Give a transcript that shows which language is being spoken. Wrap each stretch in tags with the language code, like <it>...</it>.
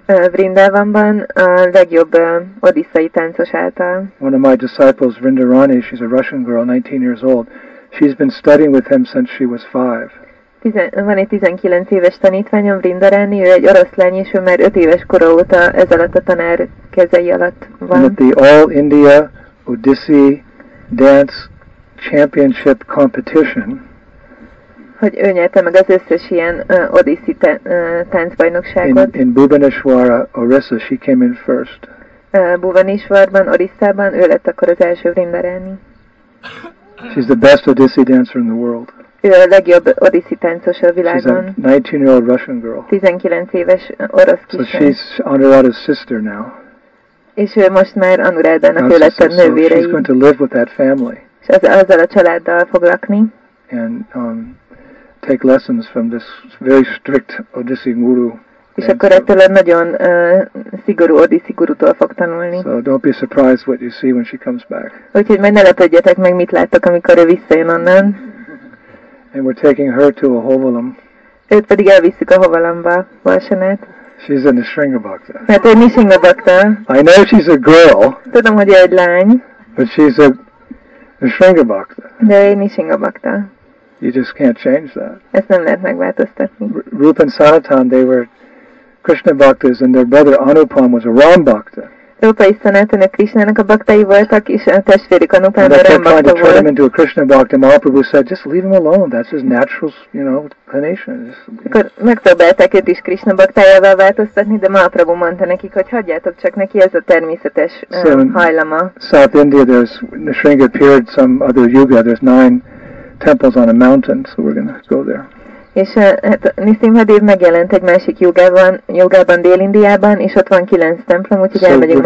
<hu>Vrindavanban a legjobb odisszai táncos által.</hu> <en>One of my disciples, Vrindarani, she's a Russian girl, 19 years old. She's been studying with him since she was 5.</en> <hu>Van egy 19 éves tanítványom, Vrindarani, ő egy oroszlány, és ő már 5 éves kora óta ez alatt a tanár kezei alatt van.</hu> <en>And at the All India Odissi Dance Championship Competition.</en> <hu>Hogy ő nyerte meg az összes ilyen Odissi táncbajnokságot.</hu> <en>In Bhubaneswar, Orissa, she came in first.</en> <hu>Bhubaneswarban, Orissában, ő lett akkor az első Vrindarani.</hu> <en>She's the best Odissi dancer in the world.</en> <hu>Ő a legjobb Odissi táncos a világon.</hu> <en>She's a 19-year-old Russian girl.</en> <hu>19 éves orosz kislány.</hu> <en>So she's Anuradha's sister now.</en> <hu>És ő most már Anuradának ő lett a nővére.</hu> <en>She's going to live with that family.</en> <hu>És azzal a családdal fog lakni.</hu> <en>And take lessons from this very strict Odissi guru.</en> <hu>És akkor ettől a nagyon szigorú Odissi gurutól fog tanulni.</hu> <en>So don't be surprised what you see when she comes back.</en> <hu>Úgyhogy majd ne lepődjetek meg, mit láttok, amikor ő visszajön onnan.</hu> <en>And we're taking her to a hovalam.</en> <hu>Őt pedig elvisszük a hovalamba, Valsanát.</hu> <en>She's in the Sringa Bhakta.</en> <hu>Hát ő Nisringa Bhakta.</hu> <en>I know she's a girl.</en> <hu>Tudom, hogy ő egy lány.</hu> <en>But she's a Sringa Bhakta.</en> <hu>De ő Nisringa Bhakta.</hu> <en>You just can't change that.</en> <hu>Ezt nem lehet megváltoztatni.</hu> <en>Rupa and Sanatan, they were Krishna Bhaktas, and their brother Anupam was a Ram Bhakta.</en> <hu>Rupa és Sanatan a Krishna-nak a bhaktai voltak, és a testvérük Anupam a Ram Bhakta volt.</hu> <en>And they tried to turn him into a Krishna Bhakta. Mahaprabhu said, just leave him alone. That's his natural, inclination.</en> <hu>Akkor megpróbálták őt is Krishna bhaktájává változtatni, de Mahaprabhu mondta nekik, hogy hagyjátok csak neki, ez a természetes hajlama.</hu> <en>South India, there's Nisringa appeared some other yuga. There's 9 temples on a mountain, so we're going to go there.</en> <hu>És hát Nisimhadev megjelent egy másik jogában Dél-Indiában, és ott van 9 templom, úgyhogy elmegyünk</hu>